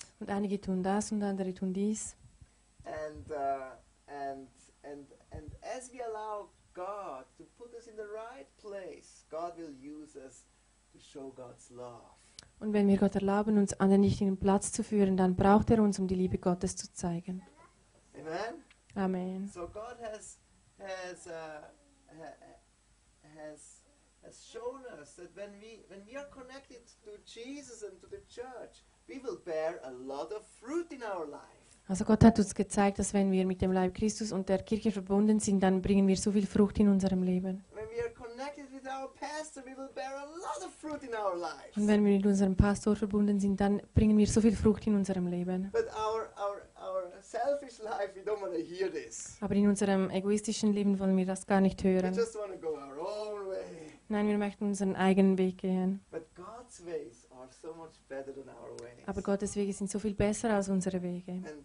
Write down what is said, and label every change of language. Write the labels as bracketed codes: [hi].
[de] Und einige tun das und andere tun dies. [en] And as we allow God to put us in the right place, God will use us to show God's love. [de] Und wenn wir Gott erlauben, uns an den richtigen Platz zu führen, dann braucht er uns, um die Liebe Gottes zu zeigen. Amen. Amen. [en] So God has shown us that when we are connected to Jesus and to the church, we will bear a lot of fruit in our life. [de] Also Gott hat uns gezeigt, dass wenn wir mit dem Leib Christus und der Kirche verbunden sind, dann bringen wir so viel Frucht in unserem Leben. [en] When we are connected with with our pastor, we will bear a lot of fruit in our lives. [de] Und wenn wir mit unserem Pastor verbunden sind, dann bringen wir so viel Frucht in unserem Leben. [en] But our selfish life, we don't want to hear this. [de] Aber in unserem egoistischen Leben wollen wir das gar nicht hören. [en] We just want to go our own way. [de] Nein, wir möchten unseren eigenen Weg gehen. [en] But God's ways are so much better than our ways. [de] Aber Gottes Wege sind so viel besser als unsere Wege.